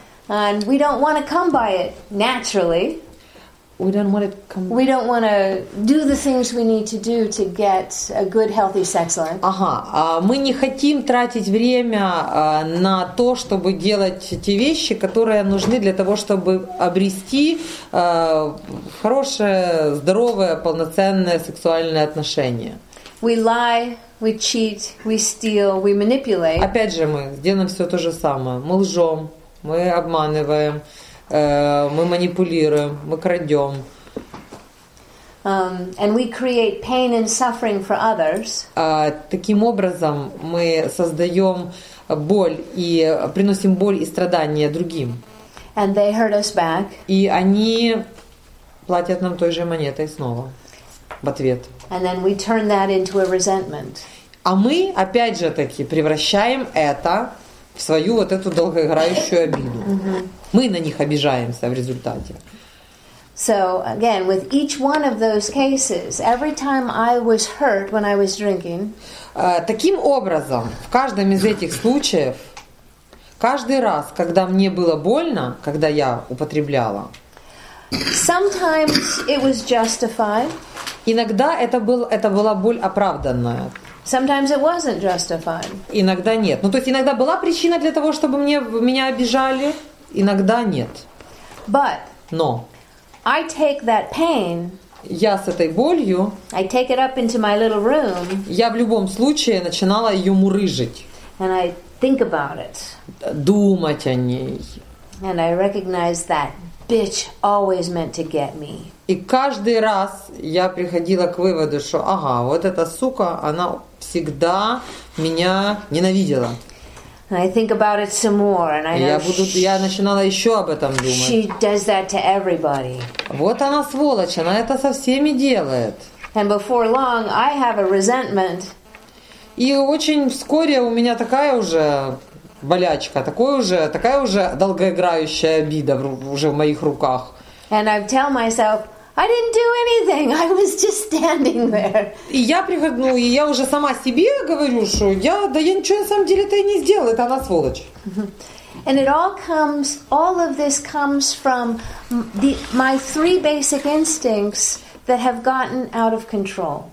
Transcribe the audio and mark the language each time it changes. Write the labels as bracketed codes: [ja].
[en] And we don't want to come by it naturally. We don't want to come. We don't want to do the things we need to do to get a good, healthy sex life. Ага. [ru] Мы не хотим тратить время на то, чтобы делать те вещи, которые нужны для того, чтобы обрести хорошее, здоровое, полноценное сексуальное отношение. [en] We lie, we cheat, we steal, we manipulate. [ru] Опять же, мы делаем все то же самое. Мы лжем, мы обманываем. Мы манипулируем, мы крадем. [en] And we create pain and suffering for others. [ru] Таким образом мы создаем боль и приносим боль и страдания другим. [en] And they hurt us back. [ru] И они платят нам той же монетой снова в ответ. [en] And then we turn that into a resentment. [ru] А мы опять же таки превращаем это в свою вот эту долгоиграющую обиду. Мы на них обижаемся в результате. [en] So again, with each one of those cases, every time I was hurt when I was drinking. [ru] Таким образом, в каждом из этих случаев, каждый раз, когда мне было больно, когда я употребляла. [en] Sometimes it was justified. [ru] Иногда это была боль оправданная. [en] Sometimes it wasn't justified. [ru] Иногда нет. Ну то есть иногда была причина для того, чтобы меня обижали. Иногда нет. [en] But. [ru] Но. [en] I take that pain. [ru] Я с этой болью. [en] I take it up into my little room. [ru] Я в любом случае начинала ее мурыжить. [en] And I think about it. [ru] Думать о ней. [en] And I recognize that bitch always meant to get me. [ru] И каждый раз я приходила к выводу, что ага, вот эта сука, она всегда меня ненавидела. [en] I think about it some more, and I know [ru] я начинала еще об этом думать. [en] She does that to everybody. [ru] Вот она сволочь, она это со всеми делает. [en] And before long, I have a resentment. [ru] И очень вскоре у меня такая уже болячка, такая уже долгоиграющая обида уже в моих руках. [en] And I tell myself, I didn't do anything. I was just standing there. [ru] И я прихожу, и я уже сама себе говорю, что я ничего на самом деле-то и не сделала, это она сволочь. [en] And it all of this comes from my three basic instincts that have gotten out of control.